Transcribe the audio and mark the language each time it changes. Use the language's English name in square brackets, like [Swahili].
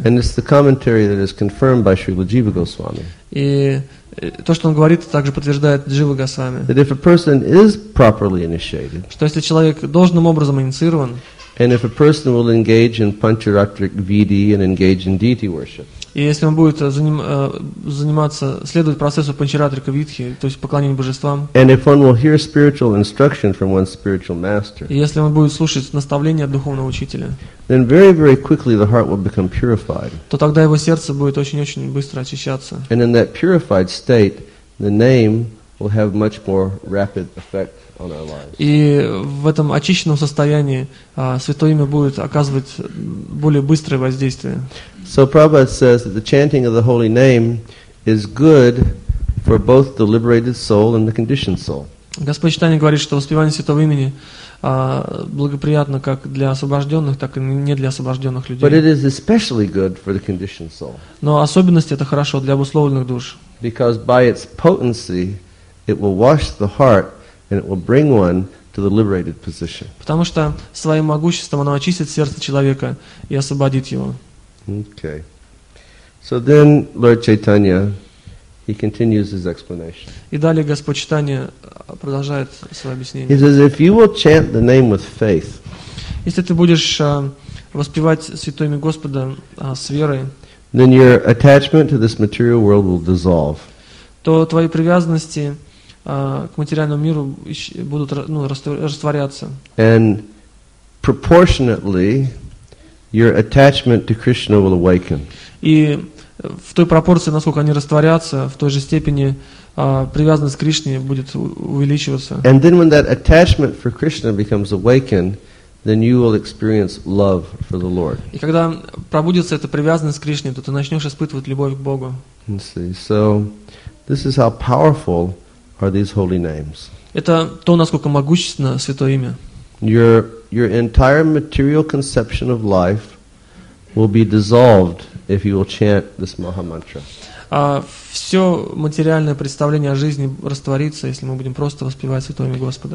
[English] And it's the commentary that is confirmed by Srila Jiva Goswami. [Russian] И то, что он говорит, также подтверждает Джива Госвами. [English] That if a person is properly initiated. [Russian] Что если человек должным образом инициирован. [English] And if a person will engage in Pancharatrik Vidhi and engage in deity worship. [Russian] И если он будет заниматься, следовать процессу Панчаратрика Видхи, то есть поклонению божествам. [English] And if one will hear spiritual instruction from one's spiritual master. [Russian] И если он будет слушать наставления от духовного учителя. [English] Then very, very quickly the heart will become purified. [Russian] То тогда его сердце будет очень-очень быстро очищаться. [English] And in that purified state, the name will have much more rapid effect. [Russian] И в этом очищенном состоянии святое имя будет оказывать более быстрое воздействие. [English] So Prabhupada says that the chanting of the holy name is good for both the liberated soul and the conditioned soul. [Russian] Господь Читания говорит, что воспевание святого имени благоприятно как для освобожденных, так и не для освобожденных людей. [English] But it is especially good for the conditioned soul. [Russian] Но особенность это хорошо для обусловленных душ. [English] Because by its potency, it will wash the heart. And it will bring one to the liberated position. [Russian] Потому что своим могуществом оно очистит сердце человека и освободит его. [English] Okay. So then Lord Chaitanya, He continues his explanation. [Russian] И далее Господь Читания продолжает свое объяснение. [English] He says, if you will chant the name with faith, [Russian] если ты будешь воспевать святое имя Господа с верой, [English] then your attachment to this material world will dissolve. [Russian] То твои привязанности к материальному миру будут растворяться. [English] And proportionately, your attachment to Krishna will awaken. [Russian] И в той пропорции, насколько они растворятся, в той же степени привязанность к Кришне будет увеличиваться. [English] And then when that attachment for Krishna becomes awakened, then you will experience love for the Lord. [Russian] И когда пробудится эта привязанность к Кришне, то ты начнешь испытывать любовь к Богу. [English] So, this is how powerful are these holy names. [Russian] Это то, насколько могущественно святое имя. [English] Your entire material conception of life will be dissolved if you will chant this Maha Mantra. [Russian] Все материальное представление о жизни растворится, если мы будем просто воспевать святое имя Господа.